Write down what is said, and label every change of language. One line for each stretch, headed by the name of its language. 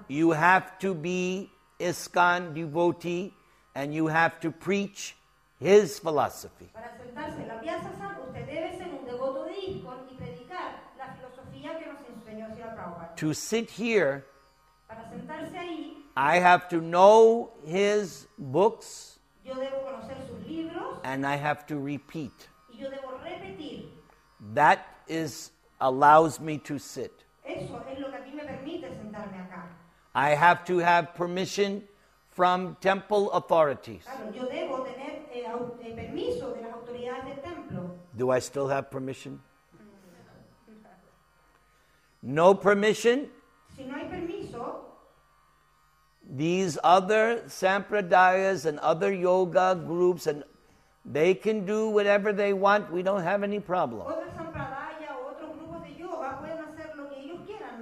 English: you have to be ISKCON devotee, and you have to preach His philosophy.
Spanish: Para sentarse en la Piazza San, usted debe ser un devoto de Icon y predicar la filosofía que nos enseñó Sri Prabhupada.
English: To sit here,
Spanish: para sentarse ahí,
English: I have to know his books.
Spanish: Yo debo conocer sus libros.
English: And I have to repeat.
Spanish: Y yo debo repetir.
English: That is allows me to sit.
Spanish: Eso es lo que a mí me permite sentarme acá.
English: I have to have permission from temple authorities.
Spanish: Claro, yo debo tener permiso de las autoridades del templo.
English: Do I still have permission? No permission.
Spanish: Si no hay permiso,
English: these other sampradayas and other yoga groups, and they can do whatever they want. We don't have any problem.
Spanish: Otro sampradaya, otro grupo de yoga pueden hacer lo que ellos quieran.